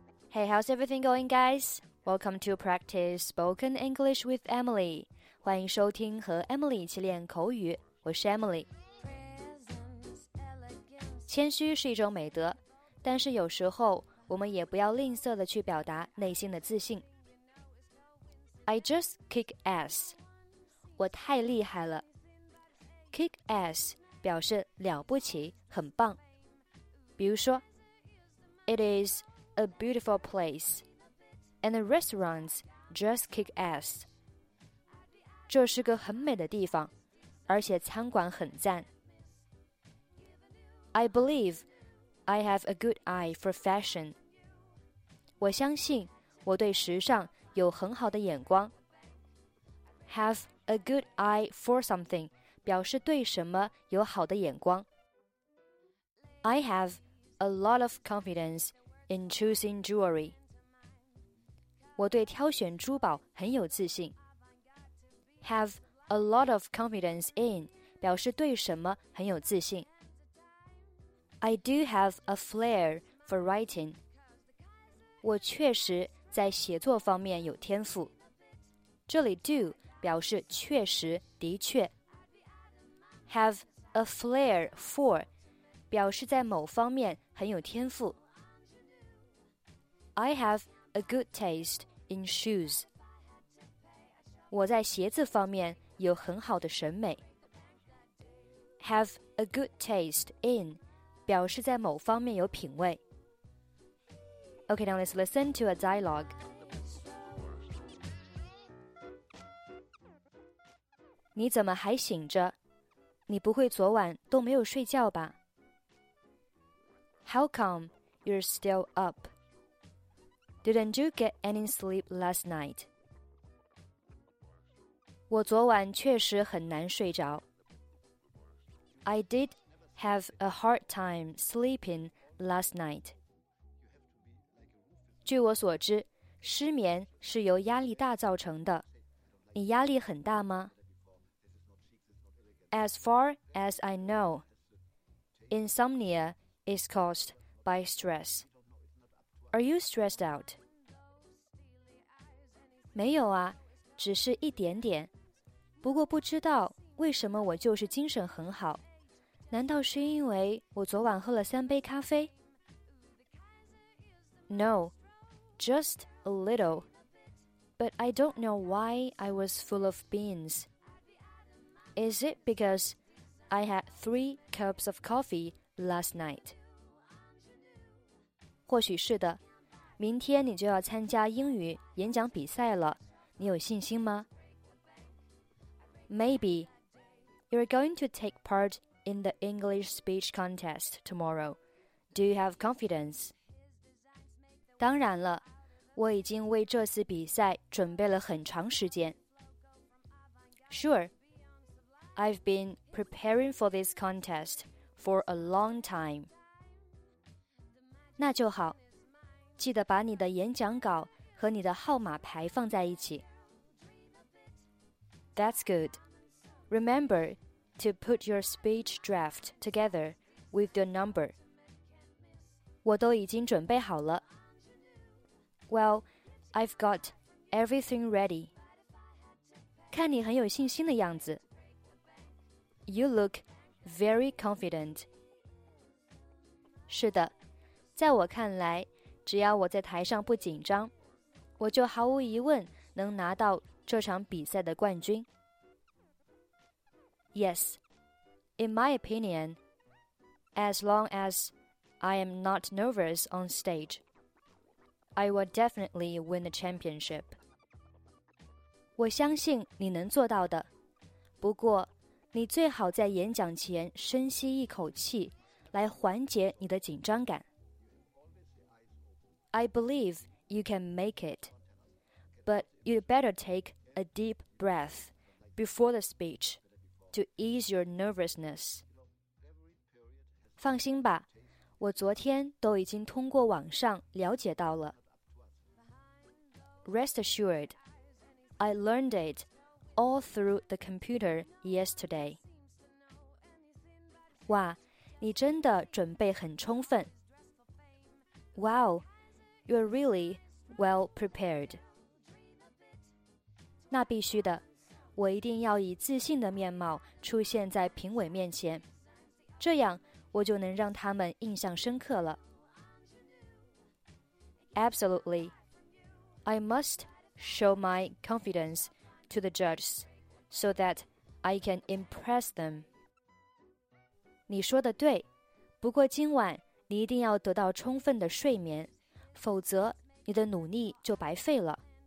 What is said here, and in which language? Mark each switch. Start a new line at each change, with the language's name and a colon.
English: Hey, how's everything going, guys? Welcome to Practice Spoken English with Emily.
Chinese: 欢迎收听和 Emily 一起练口语。我是 Emily。谦虚是一种美德，但是有时候我们也不要吝啬地去表达内心的自信。
English: I just kick ass.
Chinese: 我太厉害了。
English: Kick ass
Chinese: 表示了不起，很棒。比如说 ,It is...
English: A beautiful place, and the restaurants just kick ass.
Chinese: 这是个很美的地方，而且餐馆很赞。
English: I believe I have a good eye for fashion.
Chinese: 我相信我对时尚有很好的眼光。
English: Have a good eye for something
Chinese: 表示对什么有好的眼光。
English: I have a lot of confidenceIn choosing jewelry.
Chinese: 我对挑选珠宝很有自信。
English: Have a lot of confidence in
Chinese: 表示对什么很有自信。
English: I do have a flair for writing.
Chinese: 我确实在写作方面有天赋。这里 do 表示确实的确。
English: Have a flair for
Chinese: 表示在某方面很有天赋。
English: I have a good taste in shoes.
Chinese: 我在鞋子方面有很好的审美。
English: Have a good taste in
Chinese: 表示在某方面有品味。
English: Okay, now let's listen to a dialogue. Mm-hmm.
Chinese: 你怎么还醒着？你不会昨晚都没有睡觉吧？
English: How come you're still up? Didn't you get any sleep last night?
Chinese: 我昨晚确实很难睡着。
English: I did have a hard time sleeping last night.
Chinese: 据我所知，失眠是由压力大造成的。你压力很大吗？
English: As far as I know, insomnia is caused by stress. Are you stressed out?
Chinese: 没有啊，只是一点点。不过不知道为什么我就是精神很好。难道是因为我昨晚喝了三杯咖啡？
English: No, just a little. But I don't know why I was full of beans. Is it because I had 3 cups of coffee last night?
Chinese: 或许是的。明天你就要参加英语演讲比赛了，你有信心吗？
English: Maybe. You're going to take part in the English speech contest tomorrow. Do you have confidence?
Chinese: 当然了，我已经为这次比赛准备了很长时间。
English: Sure. I've been preparing for this contest for a long time.
Chinese: 那就好。记得把你的演讲稿和你的号码牌放在一起。
English: That's good. Remember to put your speech draft together with your number.
Chinese: 我都已经准备好了。
English: Well, I've got everything ready.
Chinese: 看你很有信心的样子。
English: You look very confident.
Chinese: 是的，在我看来，只要我在台上不紧张，我就毫无疑问能拿到这场比赛的冠军。
English: Yes, in my opinion, as long as I am not nervous on stage, I will definitely win the championship.
Chinese: 我相信你能做到的，不过你最好在演讲前深吸一口气，来缓解你的紧张感。
English: I believe you can make it, but you'd better take a deep breath before the speech to ease your nervousness.
Chinese: 放心吧，我昨天都已经通过网上了解到了。
English: Rest assured, I learned it all through the computer yesterday.
Chinese: 哇，你真的准备很充分。
English: Wow, You're really well prepared.
Chinese: 那必须的，我一定要以自信的面貌出现在评委面前，这样我就能让他们印象深刻了。
English: Absolutely. I must show my confidence to the judges so that I can impress them.
Chinese: 你说的对，不过今晚你一定要得到充分的睡眠，否则你的努力就白费了。